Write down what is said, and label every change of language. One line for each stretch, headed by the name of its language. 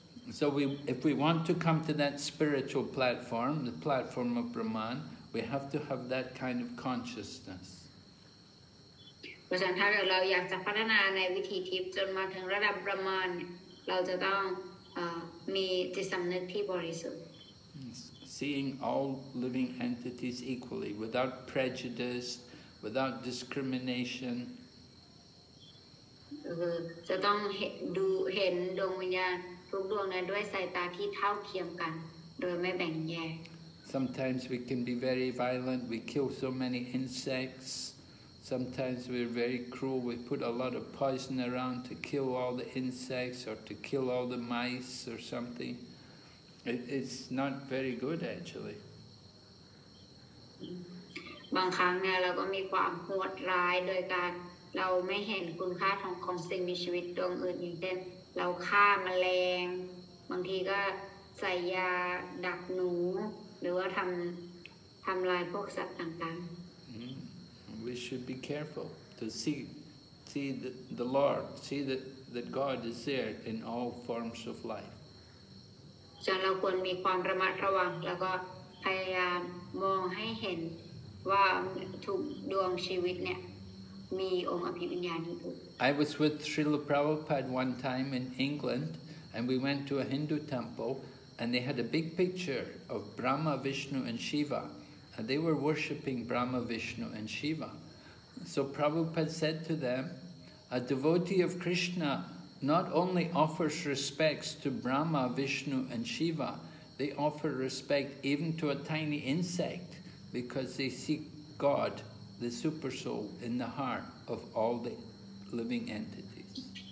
English: So we if we want to come to that spiritual platform the platform of Brahman we have to have that kind of consciousness
Thai: เพราะฉะนั้นถ้าเราอยากจะพัฒนาในวิถีทิพย์จนมาถึงระดับ Brahman เราจะต้องมีจิตสำนึกที่บริสุทธิ์
English: Seeing all living entities equally without prejudice without discrimination
Thai: จะต้องดูเห็นดวงวิญญาณทุกดวงนั้นด้วยสายตาที่เท่าเทียมกันโดยไม่แบ่งแยก
English: Sometimes we can be very violent we kill so many insectsSometimes we're very cruel, we put a lot of poison around to kill all the insects or to kill all the mice or something. It's not very good actually.
Thai: บางครั้งเนี่ยเราก็มีความโหดร้ายโดยการเราไม่เห็นคุณค่าของสิ่งมีชีวิตดวงอื่นอย่างเช่นเราฆ่าแมลงบางทีก็ใส่ยาดักหนูหรือว่าทำลายพวกสัตว์ต่างๆ
English: We should be careful to see the Lord, see that God is there in all forms of life.
Thai: So เราควรมีความระมัดระวังแล้วก็พยายามมองให้เห็นว่าทุกดวงชีวิตเนี่ยมีองค์อภิญญาที่ถูก
English: I was with Srila Prabhupada one time in England, and we went to a Hindu temple, And they had a big picture of Brahma, Vishnu and Shiva. And they were worshipping Brahma, Vishnu and Shiva. So Prabhupada said to them, a devotee of Krishna not only offers respects to Brahma, Vishnu and Shiva, they offer respect even to a tiny insect because they seek God, the Super Soul, in the heart of all the living entities.